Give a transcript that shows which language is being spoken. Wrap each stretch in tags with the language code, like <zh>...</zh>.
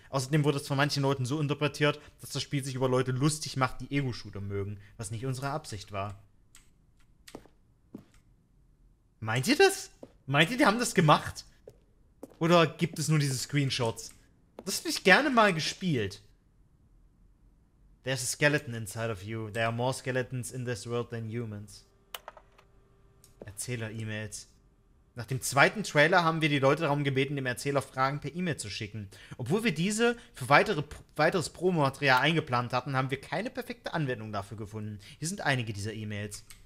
<de>Außerdem wurde es von manchen Leuten so interpretiert, dass das Spiel sich über Leute lustig macht, die Ego-Shooter mögen, was nicht unsere Absicht war. Meint ihr das? Meint ihr, die haben das gemacht? Oder gibt es nur diese Screenshots? Das hätte ich gerne mal gespielt.</de> <en>There's a skeleton inside of you. There are more skeletons in this world than humans.</en> <de>Erzähler-E-Mails. Nach dem zweiten Trailer haben wir die Leute darum gebeten, dem Erzähler Fragen per E-Mail zu schicken. Obwohl wir diese für weiteres Promomaterial eingeplant hatten, haben wir keine perfekte Anwendung dafür gefunden. Hier sind einige dieser E-Mails.</de>